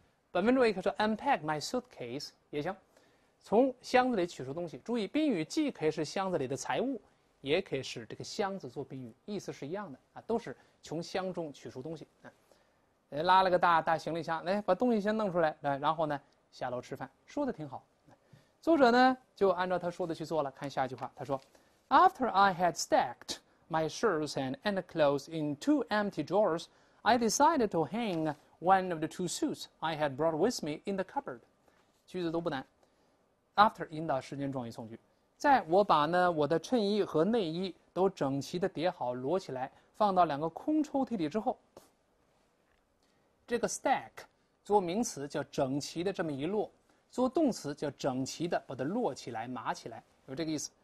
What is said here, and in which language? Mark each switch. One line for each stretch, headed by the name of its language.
Chinese: 本文中也可以说
English: unpack my suitcase
Chinese: 也行，从箱子里取出东西。注意，宾语既可以是箱子里的财物，也可以是这个箱子做宾语，意思是一样的啊，都是从箱中取出东西。拉了个大行李箱，来把东西先弄出来，来，然后呢下楼吃饭，说的挺好。作者呢就按照他说
English: 的去做了。看下一句话，他说：“After I had stacked my shirts and clothes in 2 empty drawers, I decided to hang one of the 2 suits I had brought with me in the cupboard。”
Chinese: 句子都不难。 After 引导时间状语从句，在我把呢我的衬衣和内衣都整齐的叠好摞起来，放到2个空抽屉里之后。这个 stack 做名词叫整齐的这么一摞，做动词叫整齐的把它摞起来码起来，有这个意思。